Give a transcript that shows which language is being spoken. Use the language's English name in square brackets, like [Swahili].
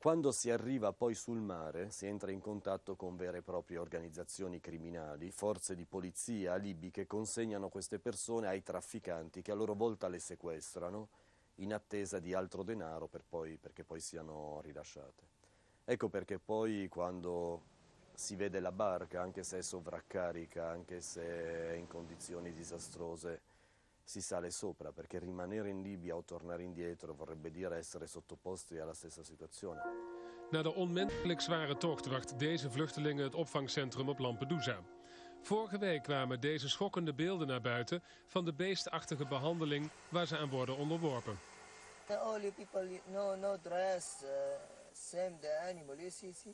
[Italian] Quando si arriva poi sul mare si entra in contatto con vere e proprie organizzazioni criminali, forze di polizia libiche consegnano queste persone ai trafficanti che a loro volta le sequestrano in attesa di altro denaro perché poi siano rilasciate. Ecco perché poi quando si vede la barca, anche se è sovraccarica, anche se è in condizioni disastrose, si sale sopra, perché rimanere in Libia o tornare indietro vorrebbe dire essere sottoposti alla stessa situazione. [Dutch] Na de onmenselijk zware tocht wacht deze vluchtelingen het opvangcentrum op Lampedusa. Vorige week kwamen deze schokkende beelden naar buiten van de beestachtige behandeling waar ze aan worden onderworpen. [English] The only people, no dress, same the animal, you see?